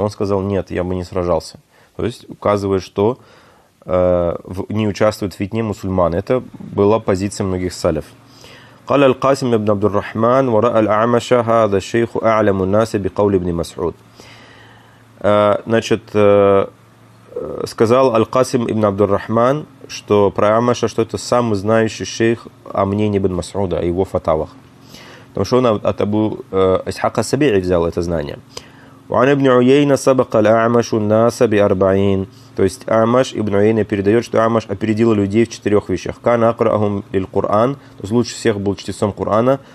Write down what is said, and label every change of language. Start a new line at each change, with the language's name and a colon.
Russian: Он сказал, нет, я бы не сражался. То есть указывает, что не участвует в фитне мусульман. Это была позиция многих салев.
Arabic: قال القاسم ابن عبد الرحمن ورأى الأعمش هذا الشيخ أعلم الناس بقول ابن مسعود.
Russian: Значит, сказал Аль-Касим ибн Абдур-Рахман, что про Амаша, что это самый знающий шейх о мнении ибн Масуда, о его фатавах. Потому что он от Абу Исхака Сабии взял это знание.
Arabic: وعن ابن عيينة سبق الأعمش الناس بأربعين.
Russian: То есть Амаш, ибн Уйейна передает, что Амаш опередил людей в четырех вещах.
Arabic: Кана акрахум лиль Куран,
Russian: то есть лучше всех был чтецом Курана.